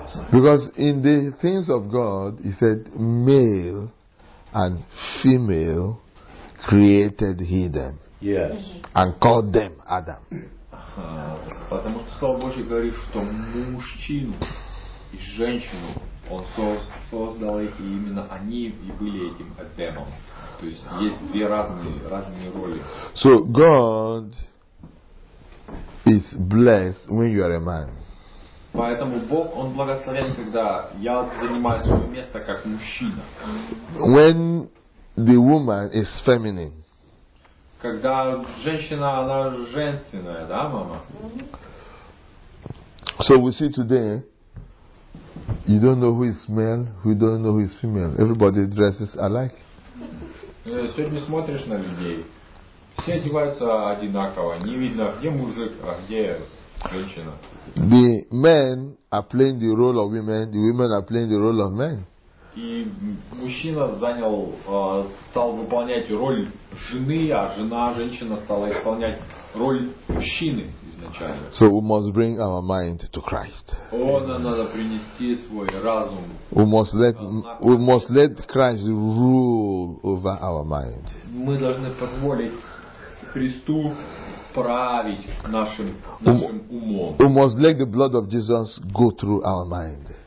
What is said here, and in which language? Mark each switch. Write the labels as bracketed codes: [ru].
[en] Because in the things of God, he said, male and female created he them. Yes. And called them Adam. [ru] Потому что Слово Божье говорит, что мужчину и женщину Он создал, и именно они и были этим Эдемом. То есть есть две разные роли. [en] So God is blessed when you are a man. [ru] Поэтому Бог, Он благословен, когда я занимаю свое место как мужчина. [en] When the woman is feminine. [ru] Когда женщина, она женственная, да, мама? [en] So we see today, you don't know who is male, who don't know who is female. Everybody dresses alike. [ru] Сегодня смотришь на людей, все одеваются одинаково, не видно, где мужик, а где женщина. [en] The men are playing the role of women, the women are playing the role of men. [ru] И мужчина занял, стал выполнять роль жены, а жена, женщина стала исполнять роль мужчины изначально. [en] So we must bring our mind to Christ. [ru] Надо принести свой разум. [en] We must let Christ rule over our mind. [ru] Мы должны позволить Христу править нашим умом. [en] We must let the blood of Jesus go through our mind.